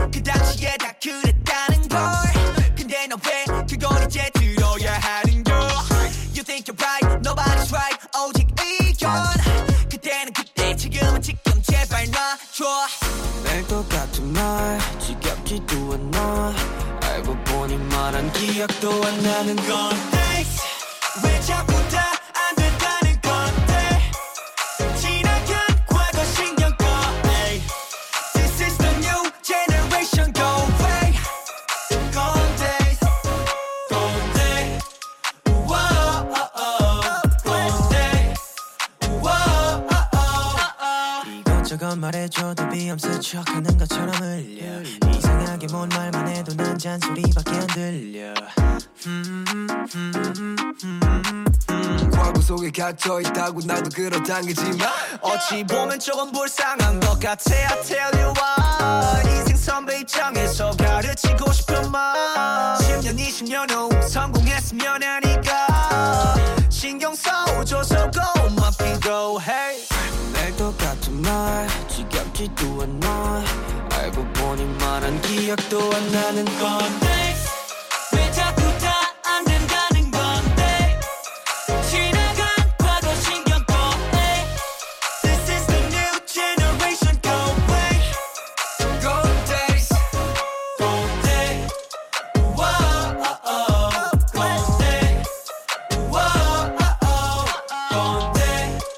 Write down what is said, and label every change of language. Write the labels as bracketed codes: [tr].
[ko] 그 당시에 다 그랬다는 걸. 근데 너 왜 그걸 이제 들어야 하는 걸. [en] You think you're right, nobody's right. [ko] 오직 이견. 그때는 그때, 지금은 지금. 제발 놔줘. 될 것 같은 말. 지겹지도 않아. 알고 보니 말한 기억도 안 나는 건데 왜 자꾸 다 안 된다는 건데 지나간 과거 신경 꺼 [en] This is the new generation Go away Gone days Gone day Gone day [ko] 이것저것 말해줘도 비염 스쳐가는 것처럼 흘려 이상하게 뭔 말만 해도 난 잔소리밖에 안 들려 과거 속에 갇혀있다고 나도 그렇다기지만 어찌 보면 조금 불쌍한 것 같아 [en] I tell you why [ko] 인생 선배 입장에서 가르치고 싶은 말 10년 20년 후 성공했으면 하니까 신경 써줘서 고맙기도 해 될 것 같은 말 지겹지도 않아 알고 보니 말한 기억도 안 나는 건데 왜 자꾸 다 안 된다는 건데 지나간 과거 신경 꺼내 [en] This is the new generation Go away Gone days Gone day Gone day Gone day Gone day